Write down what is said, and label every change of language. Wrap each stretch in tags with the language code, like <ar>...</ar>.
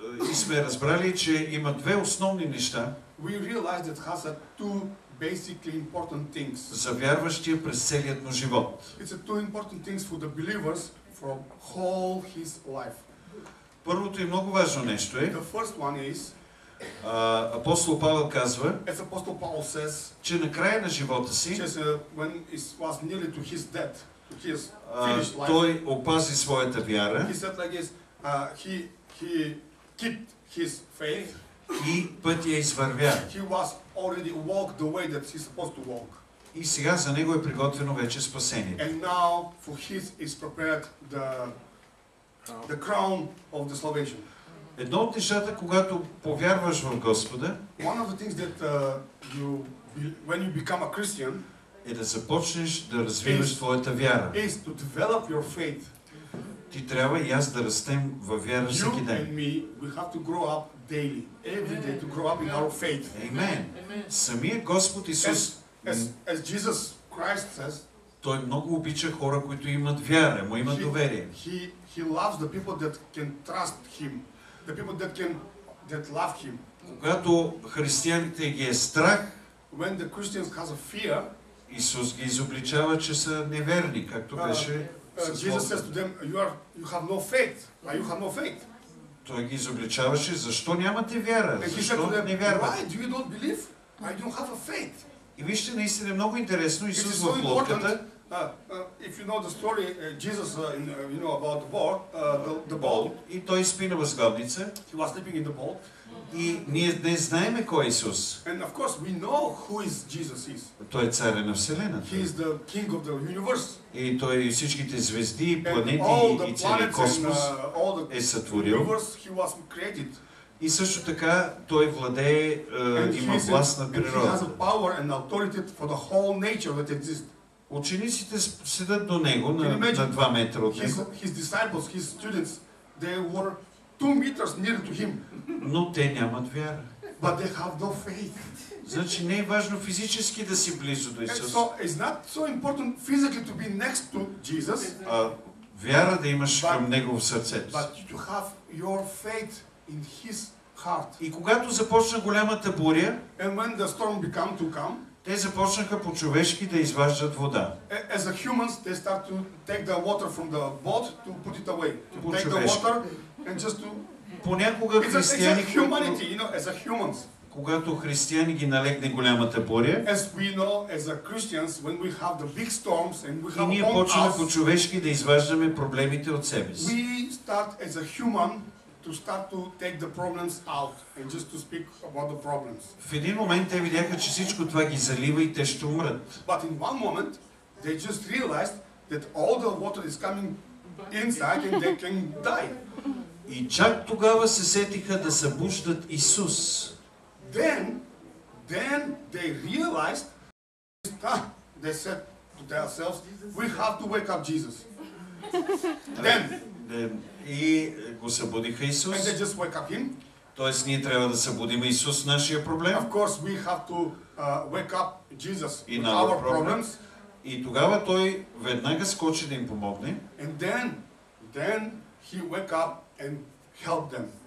<bg>И сме разбрали, че има две основни неща.</bg> <en>We realized that has a two basically important things.</en> <bg>За вярващия през целият му живот.</bg> <en>It's a two important things for the believers from whole his life.</en> <bg>Първото и много важно нещо е.</bg> <en>The first one is</en> <bg>апостол Павел казва,</bg> <en>as apostle Paul says,</en> <bg>че на края на живота си,</bg> <en>when it was nearly to his death, to his finished life,</en> <bg>той опази своята вяра.</bg> <en>He said like this, he kept his faith.</en> <bg>И пътя извървя.</bg> <en>He was already walked the way that he's supposed to walk.</en> <bg>И сега за него е приготвено вече спасение.</bg> <en>And now for his is prepared the crown of the salvation.</en> <bg>Едно от нещата, когато повярваш в Господа,</bg> <en>one of the things that you when you become a Christian,</en> <bg>е да започнеш да развиваш твоята вяра.</bg> <en>Is to develop your faith.</en> <bg>Ти трябва и аз да растем във вяра всеки ден.</bg> <en>You and me, we have to grow up daily, every day to grow up in our faith.</en> <bg>Amen. Самият Господ Исус,</bg> <en>as Jesus Christ says,</en> <bg>Той много обича хора, които имат вяра, му имат доверие.</bg> <en>He loves the people that can trust him, the people that love him.</en> <bg>Когато християните ги е страх,</bg> <en>when the Christians has a fear,</en> <bg>Исус ги изобличава, че са неверни, както беше.</bg> <en>Jesus says to them, you have no faith. Why you have no faith?</en> <bg>Той ги изобличаваше, защо нямате вяра? Защо не вярвате?</bg> <en>Why do you don't believe? Why you don't have a faith?</en> <bg>И вижте, наистина е много интересно, Исус в лодката.</bg> <en>If you know the story, Jesus you know about the boat, the boat.</en> <bg>И той спи на възглавница.</bg> <en>He was sleeping in the boat.</en> <bg>И ние не знаем кой е Исус.</bg> <en>And of course we know who is Jesus is.</en> <bg>Той е царя на вселената.</bg> <en>He is the king of the universe.</en> <bg>И той всичките звезди, планети и цели космос е сътворил.</bg> <en>Universe, he was created.</en> <bg>И също така той владее има власт на природата.</bg> <en>And he has a power and authority for the whole nature that exists.</en> <bg>Учениците седат до него на 2 метра от него.</bg> <en>His disciples, his students, they were 2 meters near to him.</en> <bg>Но те нямат вяра.</bg> <en>But they have no faith.</en> <bg>Значи не е важно физически да си близо до Исус.</bg> <en>So it's not so important physically to be next to Jesus.</en> <bg>Вяра да имаш към него в сърцето.</bg> <en>But to have your faith in his heart.</en> <bg>И когато започна голямата буря,</bg> <en>and when the storm began to come,</en> <bg>те започнаха по човешки да изваждат вода.</bg> <en>As the humans they start to take the water from the boat to put it away. To take the water and just to</en> <bg>понякога християни,</bg> <en>humanity, you know, as a humans.</en> <bg>Когато християни ги налегне голямата буря,</bg> <en>as we know, as a Christians, when we have the big storms and we have</en> <bg>ние почваме по човешки да изваждаме проблемите от себе си.</bg> <en>We start as a human to start to take the problems out and just to speak about the problems.</en> <bg>В един момент те видяха, че всичко това ги залива и те ще умрат.</bg> <en>But in one moment they just realized that all the water is coming inside and they can die.</en> <bg>И чак тогава се сетиха да събуждат Исус.</bg> <en>then they realized, they said to themselves, we have to wake up Jesus. Then.</en> <bg>И го събудиха Исус.</bg> <en>And they just wake up him.</en> <bg>Тоест ние трябва да събудим Исус нашия проблем.</bg> <en>Of course we have to wake up Jesus in our problems.</en> <bg>И тогава той веднага скочи да им помогне.</bg> <en>And then he wake up and help them</en>